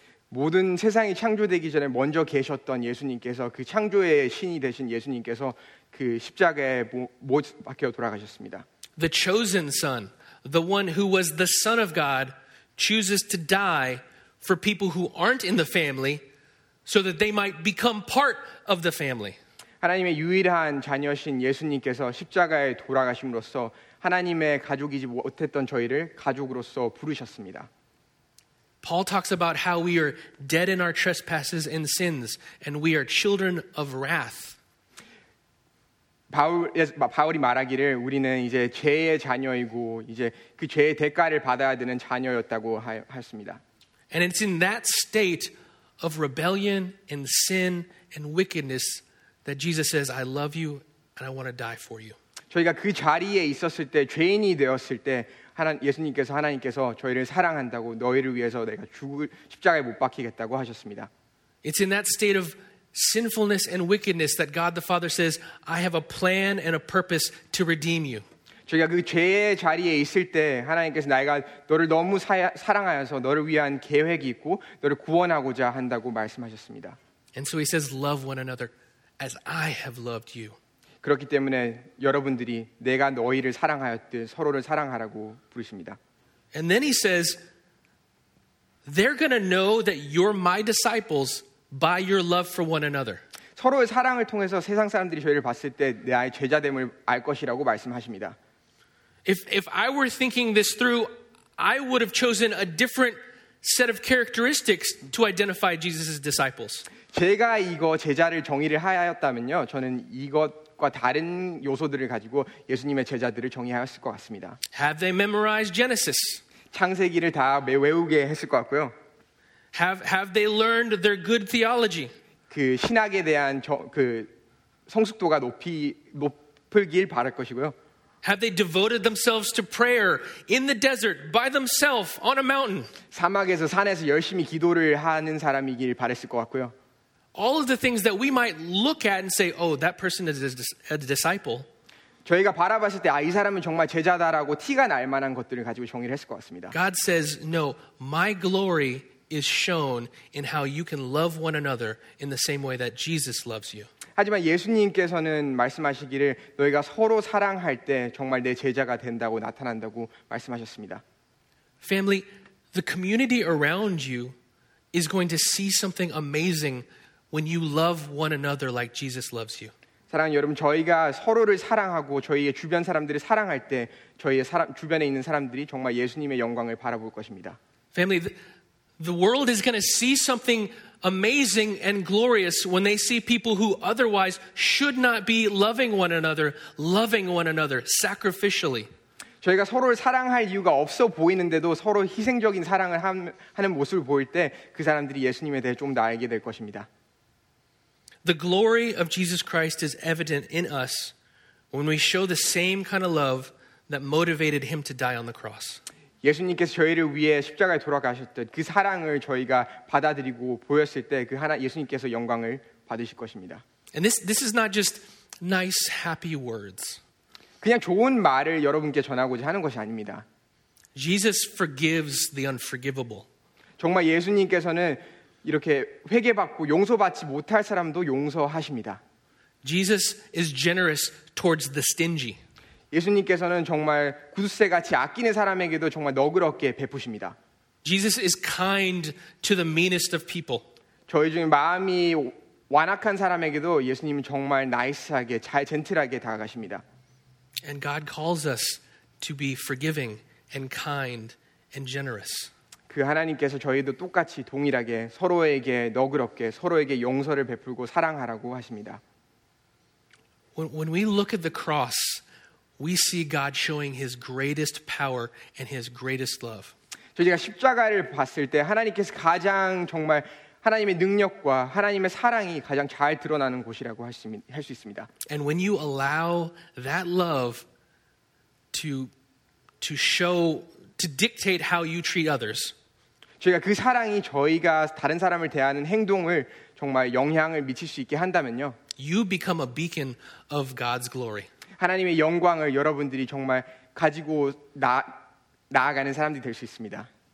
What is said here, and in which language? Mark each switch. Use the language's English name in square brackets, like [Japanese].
[Korean] 모든 세상이 창조되기 전에 먼저 계셨던 예수님께서 그 창조의 신이 되신 예수님께서 그 십자가에 못 박혀 돌아가셨습니다. [English] The chosen son, the one who was the son of God, chooses to die for people who aren't in the family so that they might become part of the family. [Korean] 하나님의 유일한 자녀신 예수님께서 십자가에 돌아가심으로써 하나님의 가족이지 못했던 저희를 가족으로서 부르셨습니다. [English] Paul talks about how we are dead in our trespasses and sins and we are children of wrath. [Korean] 바울이 말하기를 우리는 이제 죄의 자녀이고 이제 그 죄의 대가를 받아야 되는 자녀였다고 했습니다. [English] And it's in that state of rebellion and sin and wickedness that Jesus says, I love you and I want to die for you. [Korean] 저희가 그 자리에 있었을 때, 죄인이 되었을 때, 예수님께서 하나님께서 저희를 사랑한다고 너희를 위해서 내가 죽을 십자가에 못 박히겠다고 하셨습니다. [English] It's in that state of sinfulness and wickedness that God the Father says, I have a plan and a purpose to redeem you. [Korean] 저희가 그 죄의 자리에 있을 때 하나님께서 내가 너를 너무 사랑하여서 너를 위한 계획이 있고 너를 구원하고자 한다고 말씀하셨습니다. [English] And so he says, love one another as I have loved you. [Korean] 그렇기 때문에 여러분들이 내가 너희를 사랑하였듯 서로를 사랑하라고 부르십니다. [English] And then he says, they're going to know that you're my disciples by your love for one another. [Korean] 서로의 사랑을 통해서 세상 사람들이 저희를 봤을 때 나의 제자됨을 알 것이라고 말씀하십니다. [English] If I were thinking this through, I would have chosen a different set of characteristics to identify Jesus' disciples. [Korean] 제가 이거 제자를 정의를 하였다면요, 저는 이것과 다른 요소들을 가지고 예수님의 제자들을 정의하였을 것 같습니다. [English] Have they memorized Genesis? [Korean] 창세기를 다 외우게 했을 것 같고요. [English] Have they learned their good theology? [Korean] 그 신학에 대한 그 성숙도가 높을길 바랄 것이고요. [English] Have they devoted themselves to prayer in the desert by themselves on a mountain? [Korean] 사막에서 산에서 열심히 기도를 하는 사람이길 바랬을 것 같고요. [English] All of the things that we might look at and say, "Oh, that person is a disciple." [Korean] 저희가 바라봤을 때, 아, 이 사람은 정말 제자다라고 티가 날 만한 것들을 가지고 정의를 했을 것 같습니다. [English] God says, "No, my glory is shown in how you can love one another in the same way that Jesus loves you." [Korean] 하지만 예수님께서는 말씀하시기를 너희가 서로 사랑할 때 정말 내 제자가 된다고 나타난다고 말씀하셨습니다. [English] Family, the community around you is going to see something amazing when you love one another like Jesus loves you. [Korean] 사랑하는 여러분, 저희가 서로를 사랑하고 저희의 주변 사람들을 사랑할 때 저희의 주변에 있는 사람들이 정말 예수님의 영광을 바라볼 것입니다. [English] Family, the world is going to see something amazing and glorious when they see people who otherwise should not be loving one another sacrificially. [Korean] 저희가 서로를 사랑할 이유가 없어 보이는데도 서로 희생적인 사랑을 하는 모습을 보일 때 그 사람들이 예수님에 대해 좀 더 알게 될 것입니다. [English] The glory of Jesus Christ is evident in us when we show the same kind of love that motivated him to die on the cross. [Korean] 예수님께서 저희를 위해 십자가에 돌아가셨듯 그 사랑을 저희가 받아들이고 보였을 때 그 하나 예수님께서 영광을 받으실 것입니다. [English] And this is not just nice happy words. [Korean] 그냥 좋은 말을 여러분께 전하고자 하는 것이 아닙니다. [English] Jesus forgives the unforgivable. [Korean] 정말 예수님께서는 이렇게 회개받고 용서받지 못할 사람도 용서하십니다. [English] Jesus is generous towards the stingy. [Korean] 예수님께서는 정말 구두쇠같이 아끼는 사람에게도 정말 너그럽게 베푸십니다. [English] Jesus is kind to the meanest of people. [Korean] 저희 중에 마음이 완악한 사람에게도 예수님은 정말 나이스하게 잘 젠틀하게 다가가십니다. [English] And God calls us to be forgiving and kind and generous. [Korean] 그 하나님께서 저희도 똑같이 동일하게 서로에게 너그럽게 서로에게 용서를 베풀고 사랑하라고 하십니다. [English] When we look at the cross, we see God showing his greatest power and his greatest love. [Korean] 저희가 십자가를 봤을 때 하나님께서 가장 정말 하나님의 능력과 하나님의 사랑이 가장 잘 드러나는 곳이라고 할 수 있습니다. [English] And when you allow that love to show to dictate how you treat others. [Korean] 저희가 그 사랑이 저희가 다른 사람을 대하는 행동을 정말 영향을 미칠 수 있게 한다면요. [English] You become a beacon of God's glory. [Korean] 하나님의 영광을 여러분들이 정말 가지고 나아가는 사람들이 될 수 있습니다.